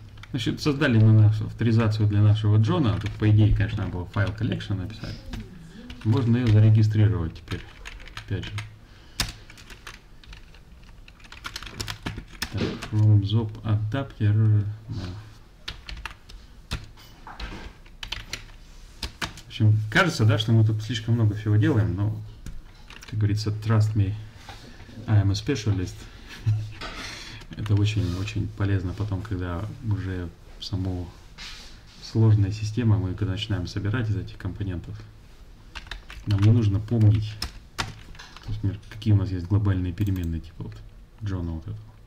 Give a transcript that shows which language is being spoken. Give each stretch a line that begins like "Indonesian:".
Russian: Значит, создали мы нашу авторизацию для нашего Джона. Тут, по идее, конечно, надо было файл коллекшн написать. Можно ее зарегистрировать теперь. Опять же.
English: Так, from zop adapter.
Russian: Да. В общем, кажется, да, что мы тут слишком много всего делаем, но, как говорится,
English: trust me, I am a specialist.
Russian: Это очень-очень полезно потом, когда уже саму сложную систему мы когда начинаем собирать из этих компонентов, нам не нужно помнить, например, какие у нас есть глобальные переменные, типа вот Джона вот этого.